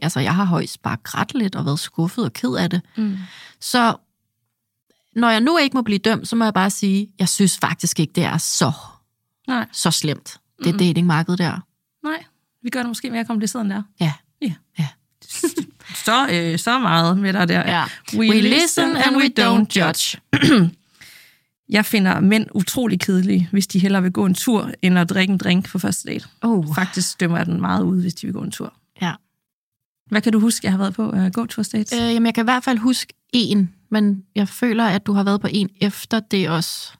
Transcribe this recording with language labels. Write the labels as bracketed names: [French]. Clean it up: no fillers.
[Danish] Altså, jeg har højst bare grædt lidt og været skuffet og ked af det. Så når jeg nu ikke må blive dømt, så må jeg bare sige, at jeg synes faktisk ikke, det er så slemt, det datingmarked der. Nej, vi gør det måske mere kompliceret end der. Ja. Ja. Så meget med dig der. Ja. [English] We listen and we don't judge. [Danish] Jeg finder mænd utrolig kedelige, hvis de hellere vil gå en tur, end at drikke en drink på første date. Faktisk dømmer jeg den meget ud, hvis de vil gå en tur. Ja. Hvad kan du huske, jeg har været på gåtursdates? Jamen, jeg kan i hvert fald huske en, men jeg føler, at du har været på en efter det også.